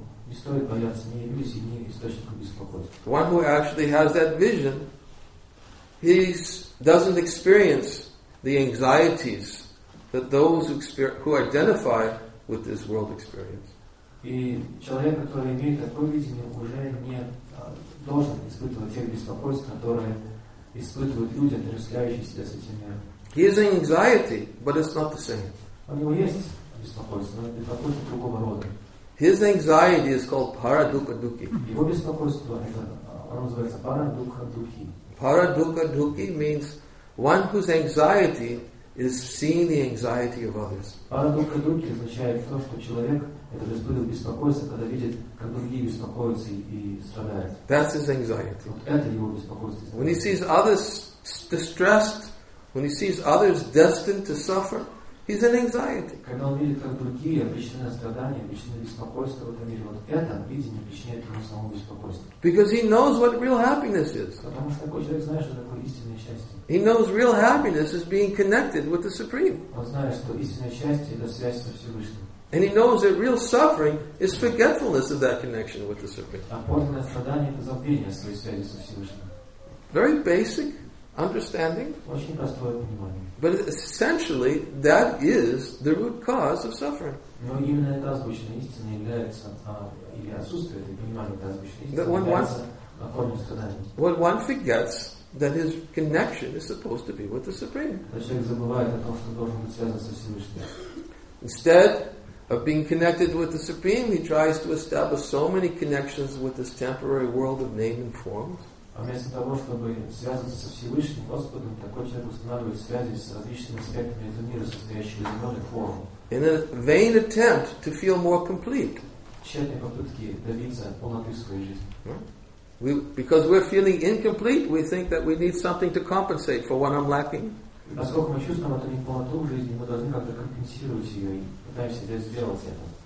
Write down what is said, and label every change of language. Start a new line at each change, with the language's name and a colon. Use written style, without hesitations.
Russian: Не стоит бояться ни иллюзий, ни источников беспокойства.
English: One who actually has that vision, he doesn't experience the anxieties that those who identify with this world experience.
Russian: И человек, который имеет такое видение, уже не должен испытывать тех беспокойств, которые испытывают люди, отождествляющие себя с этим миром.
English: He has anxiety, but it's not the same.
Russian: У него есть беспокойство, но это беспокойство другого рода.
English: His anxiety is called paradukha-dukhi.
Russian: Его беспокойство, оно называется paradukha-dukhi.
English: Paradukha-dukhi means one whose anxiety is seeing the anxiety of others.
Russian: Paradukha-dukhi означает то, что человек это испытывает беспокойство, когда видит, как другие беспокоятся и страдают.
English: That's his anxiety.
Russian: Вот это его беспокойство.
English: When he sees others distressed, when he sees others destined to suffer, he's in anxiety.
Russian: Когда он видит, как другие обречены на страдания, обречены на беспокойство в этом мире, вот это видение причиняет ему самому беспокойство.
English: Because he knows what real happiness is.
Russian: Потому что такой человек знает, что такое истинное счастье.
English: He knows real happiness is being connected with the Supreme.
Russian: Он знает, что истинное счастье это связь со Всевышним.
English: And he knows that real suffering is forgetfulness of that connection with the Supreme.
Russian: А подлинное страдание это забвение своей связи со Всевышним.
English: Very basic understanding.
Russian: Очень простое понимание.
English: But essentially, that is the root cause of suffering.
Russian: Но именно эта озвученная истина является, или отсутствие этой понимания этой озвученной истины является корнем страдания.
English: When one forgets that his connection is supposed to be with the Supreme.
Russian: Человек забывает о том, что должен быть связан со Всевышним.
English: Instead of being connected with the Supreme, he tries to establish so many connections with this temporary world of name and forms.
Russian: Вместо того, чтобы связываться со Всевышним Господом, такой человек устанавливает связи с различными аспектами этого мира, состоящими из зеленой формы.
English: In a vain attempt to feel more complete.
Russian: Тщетные попытки добиться полноты своей жизни.
English: Because we're feeling incomplete, we think that we need something to compensate for what I'm lacking.
Russian: Поскольку мы чувствуем эту неполноту в жизни, мы должны как-то компенсировать ее и пытаемся сделать это.